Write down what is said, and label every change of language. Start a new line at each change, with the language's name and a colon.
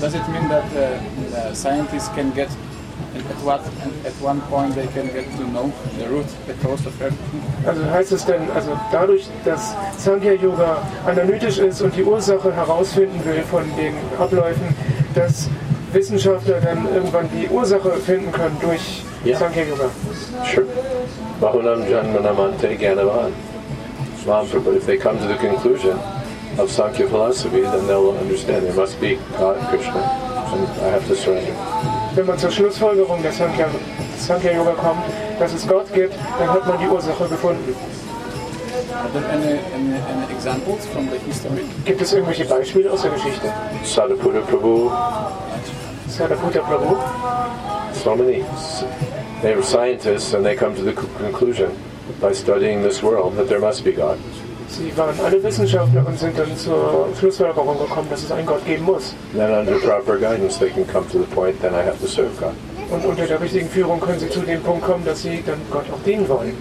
English: Does it mean that scientists can get at one point they can get to know the root, the cause of everything?
German: Also heißt es denn, also dadurch, dass Sankhya Yoga analytisch ist und die Ursache herausfinden will von den Abläufen, dass Wissenschaftler dann irgendwann die Ursache finden können durch Sankhya Yoga?
English: Sure.
Sanskrit: Bahunam janmanamante ganavan.
English: But if they come to the conclusion of Sankhya philosophy, then they'll understand there must be God and Krishna, and I have to surrender.
German: Wenn man zur Schlussfolgerung der Sankhya-Yoga kommt, dass es Gott gibt, dann hat man die Ursache gefunden.
English: Any examples from the history?
German: Gibt es irgendwelche Beispiele aus der Geschichte?
English: Sariputta Prabhu. Sariputta Prabhu. So many. They were scientists and they come to the conclusion by studying this world that there must be God.
German: Sie waren alle Wissenschaftler und sind dann zur Schlussfolgerung gekommen, dass es einen Gott geben muss.
English: Then under proper guidance they can come to the point then I have to serve God.
German: Und unter der richtigen Führung können sie zu dem Punkt kommen, dass sie dann Gott auch dienen wollen.